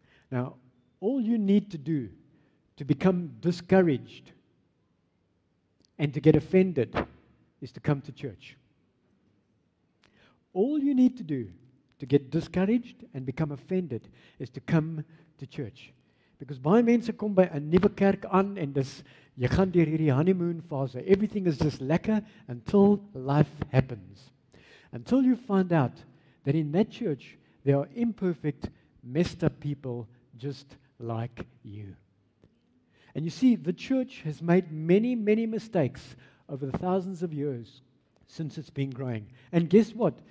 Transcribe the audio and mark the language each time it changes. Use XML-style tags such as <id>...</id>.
<en>Now, all you need to do to become discouraged and to get offended is to come to church. All you need to do to get discouraged and become offended is to come to church. Because</en> <af>baie mense kom by 'n nuwe kerk aan en dis jy gaan deur hierdie honeymoon fase.</af> <en>Everything is just lekker until life happens. Until you find out that in that church there are imperfect, messed up people just like you. And you see, the church has made many, many mistakes over the thousands of years since it's been growing. And guess what?</en>